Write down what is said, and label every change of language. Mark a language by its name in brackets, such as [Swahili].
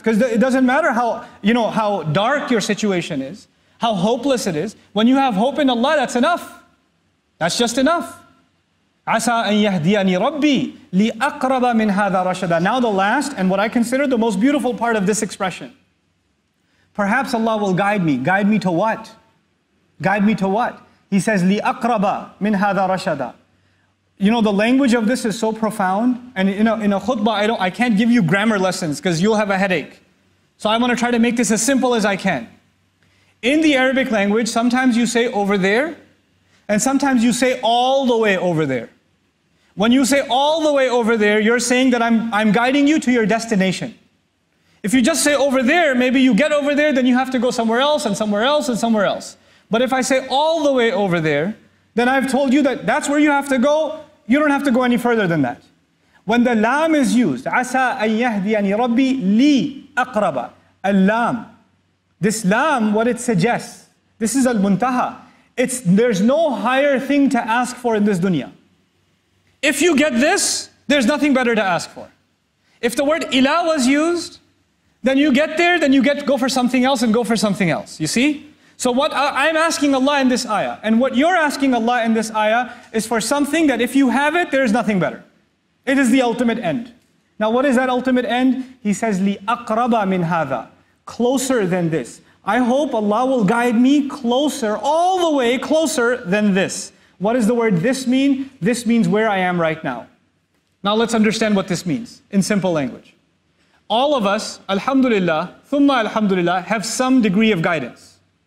[English] Because it doesn't matter how dark your situation is, how hopeless it is. When you have hope in Allah, that's enough. That's just enough. [Arabic] عَسَىٰ أَن يَهْدِيَنِي رَبِّي لِأَقْرَبَ مِنْ هَذَا رَشَدًا. [English] Now the last, and what I consider the most beautiful part of this expression. Perhaps Allah will guide me. Guide me to what? Guide me to what? He says, [Arabic] لِأَقْرَبَ مِنْ هَذَا رَشَدًا. [English] You know, the language of this is so profound. And in a khutbah, I can't give you grammar lessons because you'll have a headache. So I want to try to make this as simple as I can. In the Arabic language, sometimes you say over there, and sometimes you say all the way over there. When you say all the way over there, you're saying that I'm guiding you to your destination. If you just say over there, maybe you get over there, then you have to go somewhere else, and somewhere else, and somewhere else. But if I say all the way over there, then I've told you that that's where you have to go, you don't have to go any further than that. When the lam is used, [Arabic] عَسَىٰ أَن يَهْدِيَنِي رَبِّي لِي أَقْرَبَ اللام. [English] This lam, what it suggests, this is al-muntaha. There's no higher thing to ask for in this dunya. If you get this, there's nothing better to ask for. If the word ilah was used, then you get there, then you get go for something else and go for something else. You see? So what I'm asking Allah in this ayah, and what you're asking Allah in this ayah, is for something that if you have it, there is nothing better. It is the ultimate end. Now what is that ultimate end? He says, [Arabic] لِأَقْرَبَ مِنْ هَذَا. [English] Closer than this. I hope Allah will guide me closer, all the way closer than this. What does the word this mean? This means where I am right now. Now let's understand what this means, in simple language. All of us, alhamdulillah, thumma alhamdulillah, have some degree of guidance.